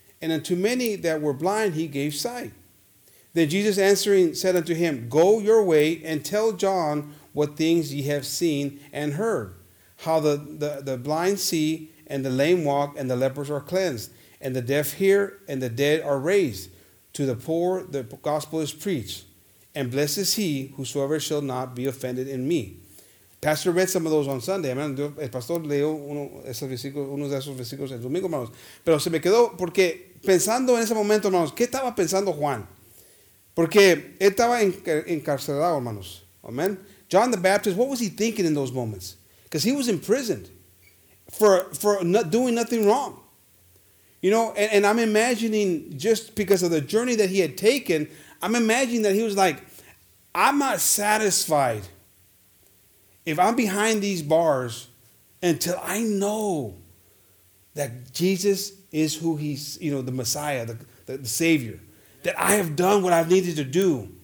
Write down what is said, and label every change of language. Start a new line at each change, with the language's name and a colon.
English: And unto many that were blind he gave sight. Then Jesus answering said unto him, Go your way and tell John what things ye have seen and heard, how the blind see, and the lame walk, and the lepers are cleansed, and the deaf hear, and the dead are raised. To the poor the gospel is preached, and blessed is he whosoever shall not be offended in me. Pastor read some of those on Sunday. Amen.
Spanish: El pastor leyó uno de esos versículos el domingo, hermanos. Pero se me quedó porque pensando en ese momento, hermanos, ¿qué estaba pensando Juan? Porque él estaba encarcelado, hermanos. Amen.
English: John the Baptist, what was he thinking in those moments? Because he was imprisoned for not doing nothing wrong. You know, and I'm imagining just because of the journey that he had taken, I'm imagining that he was like, I'm not satisfied if I'm behind these bars until I know that Jesus is who he's, you know, the Messiah, the Savior, that I have done what I've needed to do.